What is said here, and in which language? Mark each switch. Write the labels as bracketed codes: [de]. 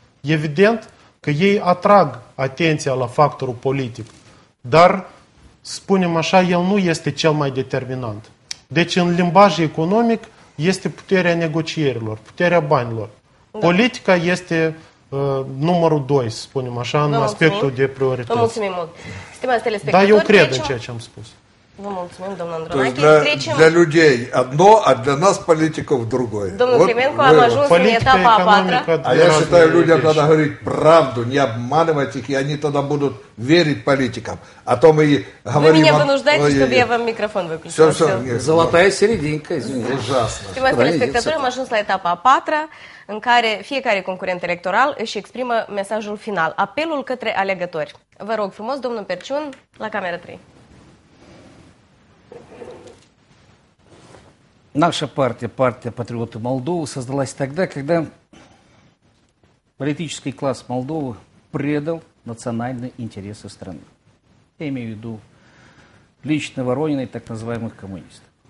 [ro] Evident că ei atrag atenția la factorul politic, dar, spunem așa, el nu este cel mai determinant. Deci, în limbaj economic, este puterea negocierilor, puterea banilor. Da. Politica este numărul 2, spunem așa, în aspectul de priorități. Vă mulțumim mult. Stimați telespectatori, dar eu cred în ceea ce am spus. Vă mulțumim, domnul Andronache. Deci [ru] Для людей одно, а для нас политиков другое. [ro] Домнул [ru] вот [ro] Клименко, вы, am ajuns în etapa a patra. [ru] А я считаю, людям надо говорить правду, не обманывать их, и они тогда будут верить политикам. А то мы говорим... Вы меня вынуждаете, чтобы я вам микрофон выключила. Все. Золотая серединка, извините. Ужасно. [ro] Стимați телеспектатори, am ajuns la etapa a patra, în care fiecare concurent electoral își exprimă mesajul final, apelul către alegători. Vă rog frumos, domnul Perciun, la camera 3. [ru] Наша партия, партия «Патриоты Молдовы» создалась тогда, когда политический класс Молдовы предал национальные интересы страны. Я имею в виду лично Воронина и так называемых коммунистов.